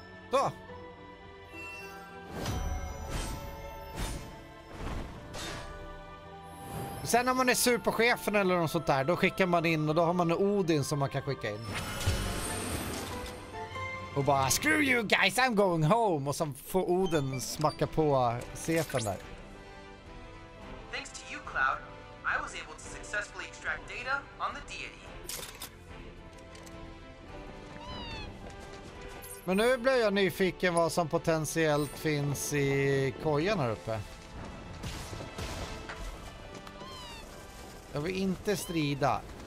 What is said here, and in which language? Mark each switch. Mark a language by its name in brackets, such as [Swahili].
[Swedish] Så. Sen när man är sur på chefen eller något sånt där, då skickar man in och då har man en Odin som man kan skicka in. Och bara, [English] screw you guys, I'm going home! [Swedish] Och så får Odin smacka på chefen där. [English] Thanks to you, Cloud, I was able to successfully extract data on the deity. [Swedish] Men nu blev jag nyfiken vad som potentiellt finns i kojan här uppe. Jag vill inte strida.